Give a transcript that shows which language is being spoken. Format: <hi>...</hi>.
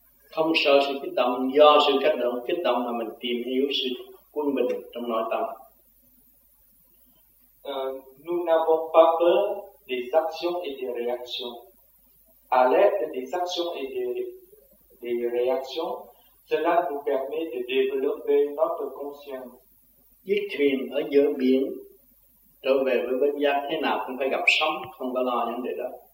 <vi>Không sợ sự kích động, do sự kích động mà mình tìm hiểu sự quân bình trong nội tâm.</vi> <fr>Nous n'avons pas peur des actions et des réactions. À l'aide des actions et des réactions, cela nous permet de développer notre conscience.</fr> <vi>Chiếc thuyền ở giữa biển trở về với bến giác thế nào cũng phải gặp sóng, không có lo những điều đó.</vi>